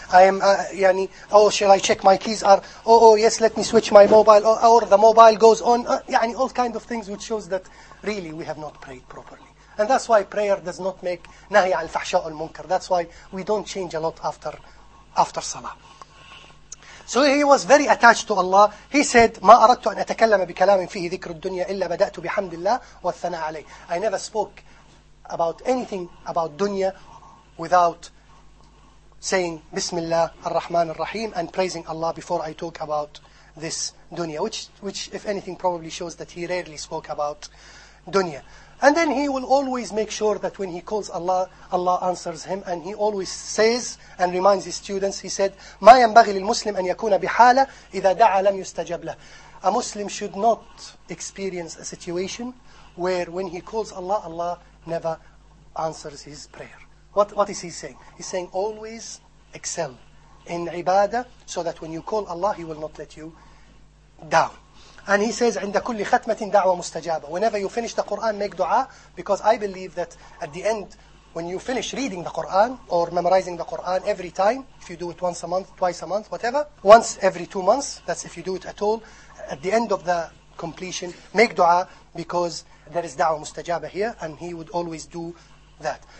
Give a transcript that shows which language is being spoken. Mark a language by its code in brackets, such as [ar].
[en] I am, shall I check my keys? Yes, let me switch my mobile. Or the mobile goes on. All kind of things which shows that really we have not prayed properly. And that's why prayer does not make nahi al-fahsha al-munkar. That's why we don't change a lot after salah. So he was very attached to Allah. He said, [ar] "ما أردت أن أتكلم بكلام فيه ذكر الدنيا إلا بدأت بحمد الله والثناء عليه." [en] I never spoke about anything about dunya without saying Bismillah ar-Rahman ar-Rahim and praising Allah before I talk about this dunya, which if anything probably shows that he rarely spoke about dunya. And then he will always make sure that when he calls Allah, Allah answers him. And he always says and reminds his students, he said, [ar] مَا يَنْبَغِي لِلْمُسْلِمِ أَنْ يَكُونَ بِحَالَةٍ إِذَا دَعَى لَمْ يُسْتَجَبْ لَهُ. [en] A Muslim should not experience a situation where when he calls Allah, Allah never answers his prayer. What is he saying? He's saying always excel in ibadah so that when you call Allah, he will not let you down. And he says, [ar] عند كل ختمة دعوة مستجابة. [en] Whenever you finish the Quran, make dua. Because I believe that at the end, when you finish reading the Quran or memorizing the Quran every time, if you do it once a month, twice a month, whatever, once every 2 months, that's if you do it at all, at the end of the completion, make dua because there is da'wah mustajaba here and he would always do that.